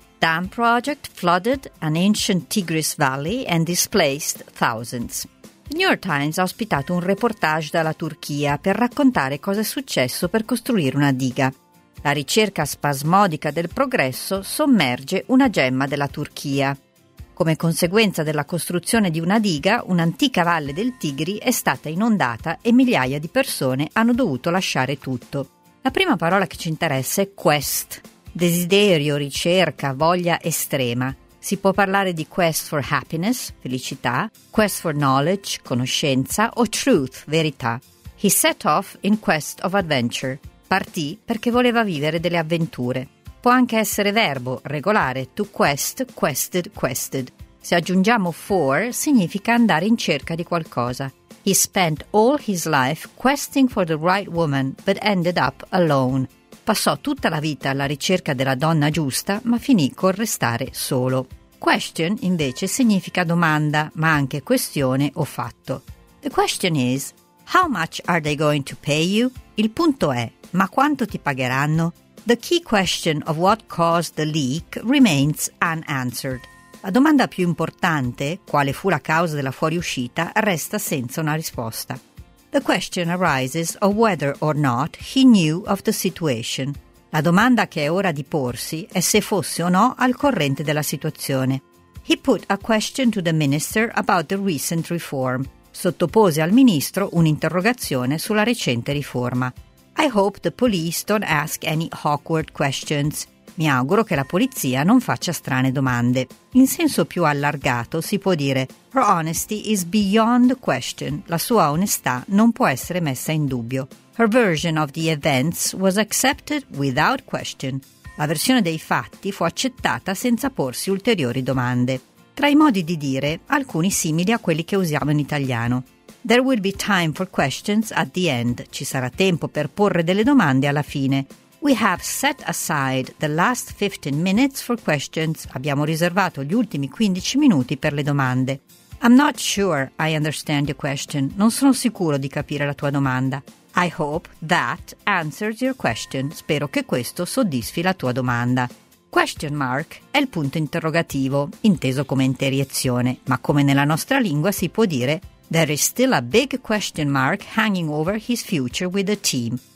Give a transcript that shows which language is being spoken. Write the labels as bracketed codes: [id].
[en] Dam project flooded an ancient Tigris valley and displaced thousands. [it] Il New York Times ha ospitato un reportage dalla Turchia per raccontare cosa è successo per costruire una diga. La ricerca spasmodica del progresso sommerge una gemma della Turchia. Come conseguenza della costruzione di una diga, un'antica valle del Tigri è stata inondata e migliaia di persone hanno dovuto lasciare tutto. La prima parola che ci interessa è quest. Desiderio, ricerca, voglia estrema. Si può parlare di quest for happiness, felicità, quest for knowledge, conoscenza, o truth, verità. [en] He set off in quest of adventure. [it] Partì perché voleva vivere delle avventure. Può anche essere verbo, regolare, to quest, quested, quested. Se aggiungiamo for, significa andare in cerca di qualcosa. [en] He spent all his life questing for the right woman, but ended up alone. [it] Passò tutta la vita alla ricerca della donna giusta, ma finì col restare solo. Question, invece, significa domanda, ma anche questione o fatto. [en] The question is, how much are they going to pay you? [it] Il punto è, ma quanto ti pagheranno? [en] The key question of what caused the leak remains unanswered. [it] La domanda più importante, quale fu la causa della fuoriuscita, resta senza una risposta. [en] The question arises of whether or not he knew of the situation. [it] La domanda che è ora di porsi è se fosse o no al corrente della situazione. [en] He put a question to the minister about the recent reform. [it] Sottopose al ministro un'interrogazione sulla recente riforma. [en] I hope the police don't ask any awkward questions. [it] Mi auguro che la polizia non faccia strane domande. In senso più allargato si può dire [en] Her honesty is beyond question. [it] La sua onestà non può essere messa in dubbio. [en] Her version of the events was accepted without question. [it] La versione dei fatti fu accettata senza porsi ulteriori domande. Tra i modi di dire, alcuni simili a quelli che usiamo in italiano. [en] There will be time for questions at the end. [it] Ci sarà tempo per porre delle domande alla fine. [en] We have set aside the last 15 minutes for questions. [it] Abbiamo riservato gli ultimi 15 minuti per le domande. [en] I'm not sure I understand your question. [it] Non sono sicuro di capire la tua domanda. [en] I hope that answers your question. [it] Spero che questo soddisfi la tua domanda. Question mark è il punto interrogativo, inteso come interiezione, ma come nella nostra lingua si può dire [en] There is still a big question mark hanging over his future with the team.